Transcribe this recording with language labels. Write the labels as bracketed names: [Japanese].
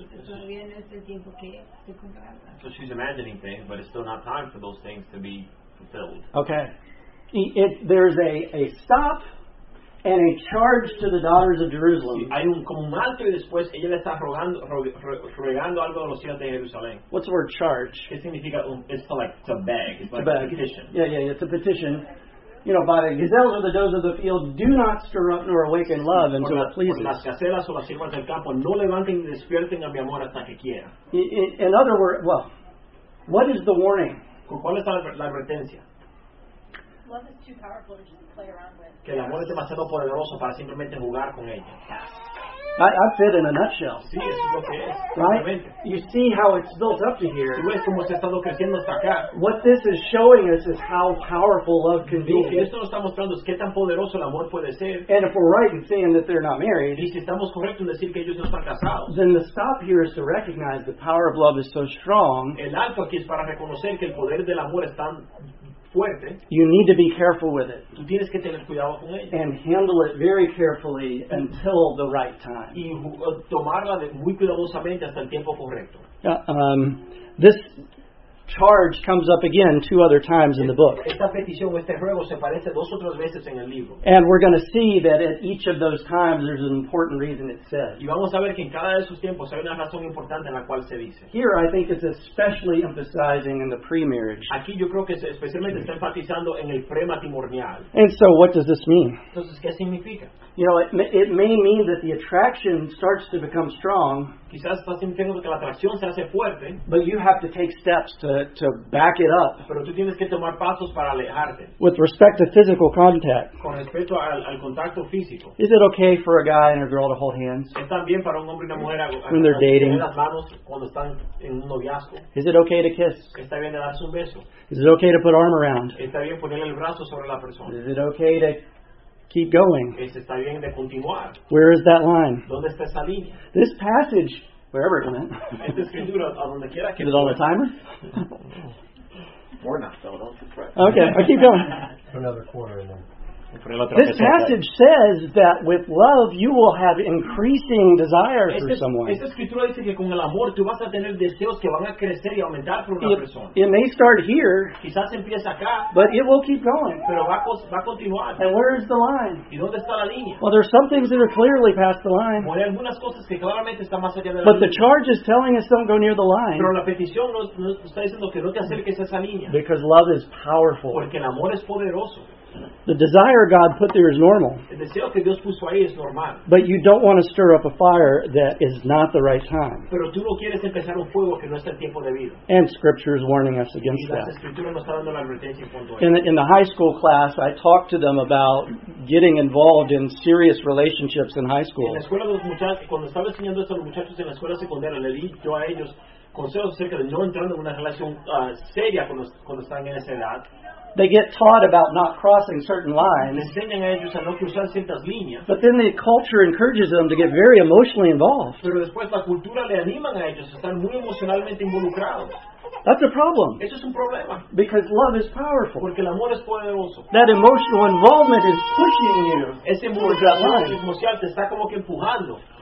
[Spanish] Todavía no es el tiempo que se cumpla. [English] So she's imagining things, but it's still not time for those things to be fulfilled. Okay. There's a stop and a charge to the daughters of Jerusalem. [Spanish] Hay un como un alto y después ella le está rogando, rogando algo a los hijos de Jerusalén. [English] What's the word charge? [Spanish] ¿Qué significa? [English] It's to like to beg. It's to beg. A petition. Yeah, it's a petition. You know, by the gazelles or the does of the field, do not stir up nor awaken love until it pleases. [Spanish] Por las gacelas o las ciervas del campo, no levanten ni despierten a mi amor hasta que quiera. [English] In other words, well, what is the warning? [Spanish] ¿Cuál es la advertencia? [English] Love is too powerful to just play around with. [Spanish] Que el amor es demasiado poderoso para simplemente jugar con ella. [English] I fit in a nutshell. [Spanish] Sí, eso es lo que es. [English] Right? You see how it's built up to here. [Spanish] Tú ves cómo se ha estado creciendo hasta acá. [English] What this is showing us is how powerful love can be. [Spanish] Lo que esto nos está mostrando es qué tan poderoso el amor puede ser. [English] And if we're right in saying that they're not married. [Spanish] Y si estamos correctos en decir que ellos no están casados. [English] Then the stop here is to recognize the power of love is so strong. [Spanish] El alto aquí es para reconocer que el poder del amor es tan [English] you need to be careful with it. [Spanish] Tú tienes que tener cuidado con ella. [English] And handle it very carefully until the right time. [Spanish] Y tomarla muy cuidadosamente hasta el tiempo correcto. [English] This charge comes up again two other times in the book. [Spanish] Esta petición, este ruego, se aparece dos o tres veces en el libro. [English] And we're going to see that at each of those times there's an important reason it says. [Spanish] Y vamos a ver que en cada de esos tiempos hay una razón importante en la cual se dice. [English] Here I think it's especially emphasizing in the pre-marriage. [Spanish] Aquí yo creo que especialmente está enfatizando en el prematrimonial. [English] And so what does this mean? [Spanish] Entonces, ¿qué significa? [English] You know, it may mean that the attraction starts to become strong. [Spanish] Quizás estás sintiendo que la atracción se hace fuerte. [English] But you have to take steps to back it up. [Spanish] Pero tú tienes que tomar pasos para alejarte. [English] With respect to physical contact. [Spanish] Con respecto al contacto físico. [English] Is it okay for a guy and a girl to hold hands? [Spanish] ¿Es también para un hombre y una mujer [English] when they're dating? [Spanish] Las manos cuando están en un noviazgo. [English] Is it okay to kiss? [Spanish] ¿Está bien de darse un beso? [English] Is it okay to put arm around? [Spanish] ¿Está bien poner el brazo sobre la persona? [English] Is it okay to keep going? [Spanish] ¿Está bien de continuar? [English] Where is that line? [Spanish] ¿Dónde está esa línea? [English] This passage, wherever it went. Is it on the timer? Or not, so don't okay, I keep going. Another quarter in there. This passage says that with love you will have increasing desire for someone. [Spanish] Esta escritura dice que con el amor tú vas a tener deseos que van a crecer y aumentar por una persona. [English] It may start here. [Spanish] Quizás empieza acá. [English] But it will keep going. [Spanish] Pero va a continuar. [English] And where is the line? [Spanish] ¿Y dónde está la línea? [English] Well, there are some things that are clearly past the line. [Spanish] Bueno, hay algunas cosas que claramente están más allá de la línea. [English] But the charge is telling us don't go near the line. [Spanish] Pero la petición nos está diciendo que no te acerques a esa línea. [English] Because love is powerful. [Spanish] Porque el amor es poderoso. [English] The desire God put there is normal. [Spanish] El deseo que Dios puso ahí es normal. [English] But you don't want to stir up a fire that is not the right time. [Spanish] Pero tú no quieres empezar un fuego que no está el tiempo debido. [English] And Scripture is warning us against [Spanish] y las [English] that. [Spanish] Escrituras nos está dando la advertencia en punto [English] In the high school class, I talked to them about getting involved in serious relationships in high school. [Spanish] En la escuela de los muchachos, cuando estaba enseñando esto a los muchachos en la escuela secundaria, le di yo a ellos consejos acerca de no entrando en una relación seria cuando están en esa edad. [English] they get taught about not crossing certain lines. [Spanish] Les enseñan a ellos a no cruzar ciertas líneas. [English] But then the culture encourages them to get very emotionally involved. [Spanish] Pero después la cultura le anima a ellos a estar muy emocionalmente involucrados. [English] That's a problem. [Spanish] Eso es un problema. [English] Because love is powerful. [Spanish] Porque el amor es poderoso. [English] That emotional involvement is pushing you. [Spanish] Ese involucramiento emocional te está como que empujando.